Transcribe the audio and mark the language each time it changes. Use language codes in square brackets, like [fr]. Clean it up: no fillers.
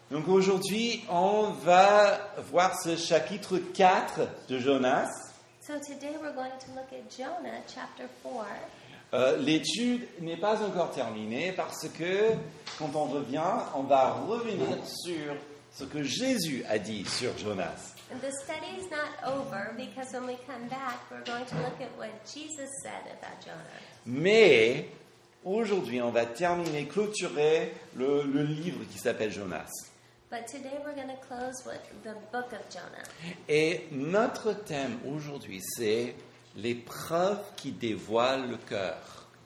[fr] Donc aujourd'hui, on va voir ce chapitre 4 de Jonas. [en] So today we're going to look at Jonah, chapter 4. [fr] L'étude n'est pas encore terminée parce que quand on revient, on va revenir sur ce que Jésus a dit sur Jonas. [en] And the study is not over because when we come back, we're going to look at what Jesus said about Jonah. [fr] Mais aujourd'hui, on va terminer, clôturer le livre qui s'appelle Jonas. [en] But today we're going to close with the book of Jonah. [fr] Et notre thème aujourd'hui, c'est les preuves qui dévoilent le cœur.